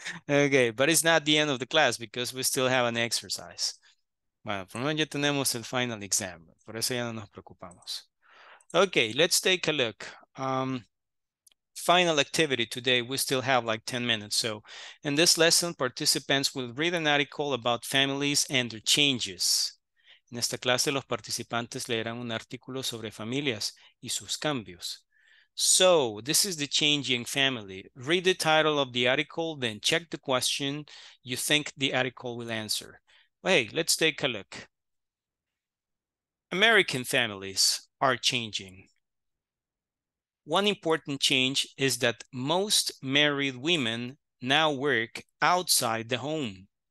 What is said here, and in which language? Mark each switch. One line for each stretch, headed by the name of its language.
English: Okay, but it's not the end of the class because we still have an exercise.
Spanish: Bueno, por lo menos ya tenemos el final exam. Por eso ya no nos preocupamos.
English: Okay, let's take a look. Final activity today. We still have like 10 minutes. So in this lesson, participants will read an article about families and their changes.
Spanish: En esta clase, los participantes leerán un artículo sobre familias y sus cambios.
English: So, this is the changing family. Read the title of the article, then check the question you think the article will answer. Well, hey, let's take a look. American families are changing. One important change is that most married women now work outside the home.